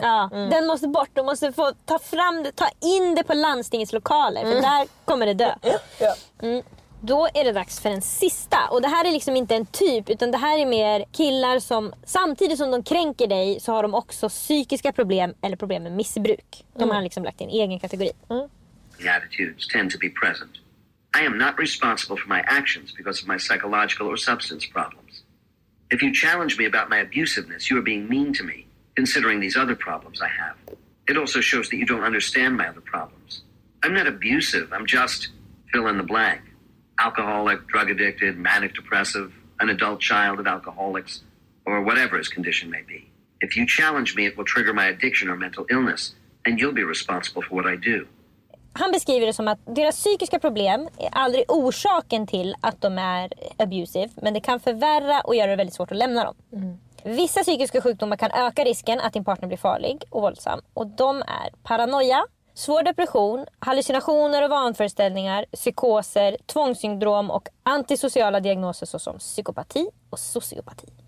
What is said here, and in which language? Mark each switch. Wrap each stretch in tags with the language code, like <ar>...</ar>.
<sv>Ja, den måste bort, du måste få ta fram det, ta in det på landstingets lokaler för där kommer det dö. Ja. Då är det dags för den sista. Och det här är liksom inte en typ, utan det här är mer killar som samtidigt som de kränker dig så har de också psykiska problem eller problem med missbruk. De har liksom lagt in egen kategori.</sv> <en>The attitudes tend to be present. I am not responsible for my actions because of my psychological or substance problems. If you challenge me about my abusiveness, you are being mean to me, considering these other problems I have. It also shows that you don't understand my other problems. I'm not abusive, I'm just fill in the blank. Alcoholic, drug addicted, manic depressive, an adult child of alcoholics, or whatever his condition may be. If you challenge me, it will trigger my addiction or mental illness, and you'll be responsible for what I do.</en> <sv>Han beskriver det som att deras psykiska problem är aldrig orsaken till att de är abusive, men det kan förvärra och göra det väldigt svårt att lämna dem. Vissa psykiska sjukdomar kan öka risken att din partner blir farlig och våldsam, och de är paranoia, svår depression, hallucinationer och vanföreställningar, psykoser, tvångssyndrom och antisociala diagnoser såsom psykopati och sociopati.</sv>